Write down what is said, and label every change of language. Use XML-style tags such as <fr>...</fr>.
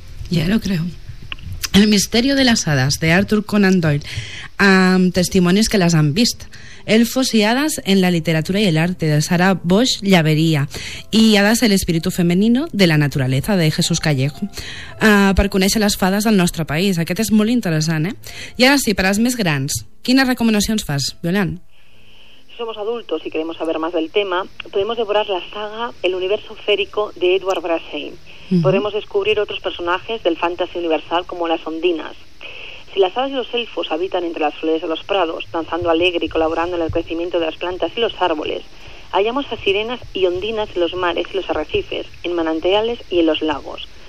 <es>Ya lo creo. El misterio de las hadas, de Arthur Conan Doyle. Testimonios que las han visto. Elfos y hadas en la literatura y el arte, de Sara Bosch Llavería. Y Hadas, el espíritu femenino de la naturaleza, de Jesús Callejo.</es> <ca>Per conèixer les fades del nostre país. Aquest és molt interessant, eh? I ara sí, per als més grans, quines recomanacions fas, Violant?</ca> <es>Si somos adultos y queremos saber más del tema, podemos devorar la saga El universo férico de Edward Brassain. Podemos descubrir otros personajes del fantasy universal como las ondinas. Si las hadas y los elfos habitan entre las flores de los prados, danzando alegre y colaborando en el crecimiento de las plantas y los árboles, hallamos a sirenas y ondinas en los mares y los arrecifes, en manantiales y en los lagos.</es>